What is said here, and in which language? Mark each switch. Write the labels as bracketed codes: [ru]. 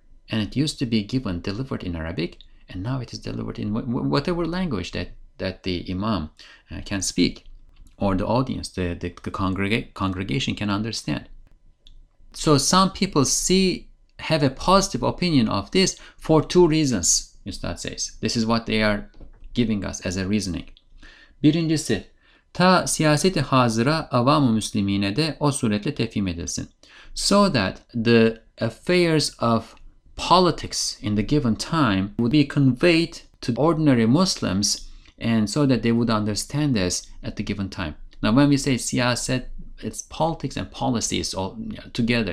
[en] And it used to be given, delivered in Arabic, and now it is delivered in whatever language that the imam can speak, or the audience, the congregation can understand. So some people have a positive opinion of this for two reasons, Üstad says. This is what they are giving us as a reasoning. [tr] Birincisi, ta siyaseti hazıra avam-ı müslimine de o suretle tefhim edilsin. [en] So that the affairs of politics in the given time would be conveyed to ordinary Muslims, and so that they would understand this at the given time. Now, when we say siyaset, it's politics and policies all together.